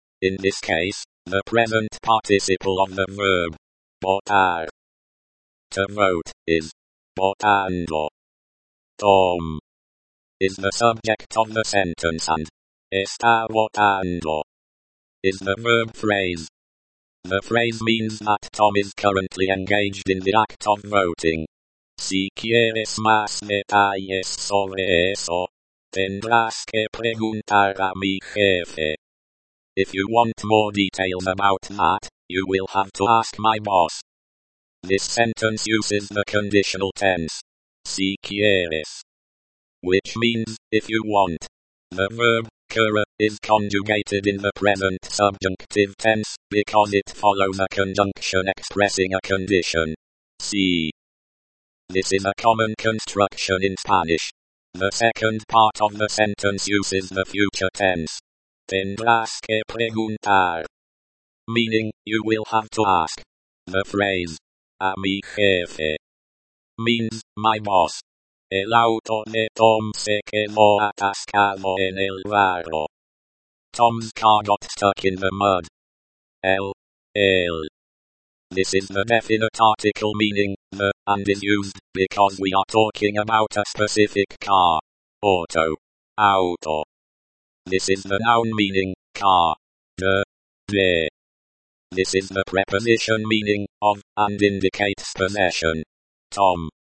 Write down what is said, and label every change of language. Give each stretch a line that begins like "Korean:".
English: In this case, the present participle of the verb votar, to vote, is votando. Tom is the subject of the sentence and
Spanish: está votando
English: is the verb phrase. The phrase means that Tom is currently engaged in the act of voting.
Spanish: Si quieres más detalles sobre eso, tendrás que preguntar a mi jefe.
English: If you want more details about that, you will have to ask my boss. This sentence uses the conditional tense,
Spanish: si quieres,
English: which means, if you want. The verb, querer, is conjugated in the present subjunctive tense, because it follows a conjunction expressing a condition, si. This is a common construction in Spanish. The second part of the sentence uses the future tense,
Spanish: tendrás que preguntar,
English: meaning, you will have to ask. The phrase,
Spanish: a mi jefe,
English: means, my boss.
Spanish: El auto de Tom se quedó atascado en el barro.
English: Tom's car got stuck in the mud. El. This is the definite article meaning, the, and is used, because we are talking about a specific car. Auto. Auto. This is the noun meaning, car. De. This is the preposition meaning, of, and indicates possession. Tom.